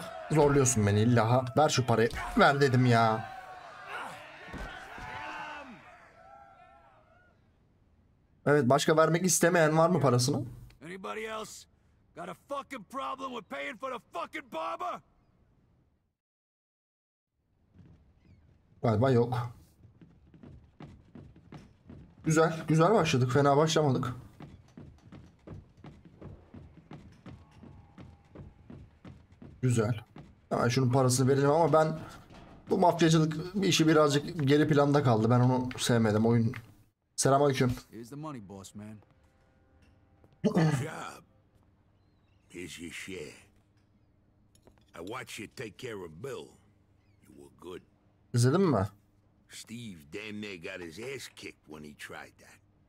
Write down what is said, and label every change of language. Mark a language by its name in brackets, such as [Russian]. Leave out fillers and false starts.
[Turkish] Zorluyorsun beni illa. Ver şu parayı. Ver dedim ya. Evet, başka vermek istemeyen var mı parasını? [English] Anybody else got a fucking problem with paying for the fucking barber? [Turkish] Galiba yok. Güzel, güzel başladık. Fena başlamadık. Güzel. Hemen şunun parasını verelim ama ben bu mafyacılık işi birazcık geri planda kaldı. Ben onu sevmedim oyun. Selamünaleyküm. [English] Here's the money, boss man. Good job. Here's your share. I watched you take care of Bill. You were good. [Turkish] İzledin mi? [English] Steve damn near got his ass kicked when he tried that.